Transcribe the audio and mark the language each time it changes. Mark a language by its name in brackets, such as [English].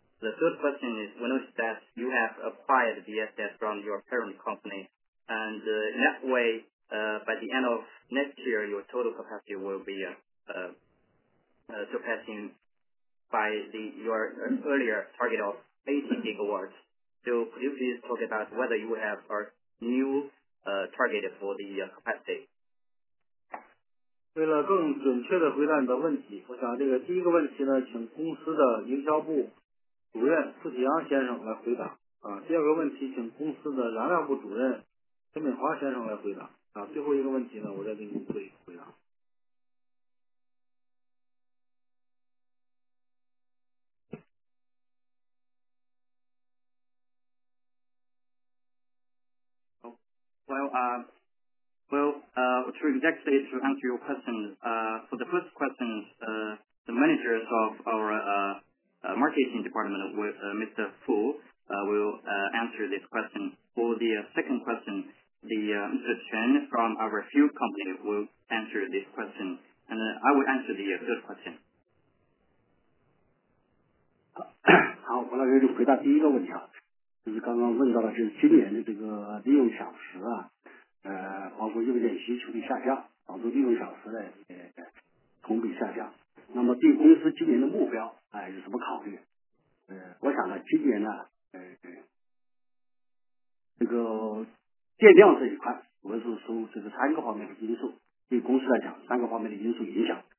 [English] The third question is, we noticed that you have acquired the assets from your parent company, and in that way,by the end of next year, your total capacity will be surpassing by your earlier target of 80 gigawatts. So could you please talk about whether you have a new target for the capacity? [Chinese] 为了更准确地回答你的问题，我想这个第一个问题呢，请公司的营销部主任傅启阳先生来回答。第二个问题请公司的燃料部主任陈敏华先生来回答。最后一个问题呢，我再给您做一个回答。 [English] To exactly to answer your question, for the first question, the managers of our marketing department, Mr. Fu, will answer this question. For the second question, Mr. Chen from our fuel company will answer this question, and I will answer the third question. [Chinese] 好，我来回答第一个问题啊，就是刚刚问到的是今年的这个利用小时啊。包括用电需求的下降，导致利用小时的同比下降。那么对公司今年的目标，有什么考虑？我想呢，今年呢，这个电量这一块，我们是从这个三个方面的因素对公司来讲，三个方面的因素影响。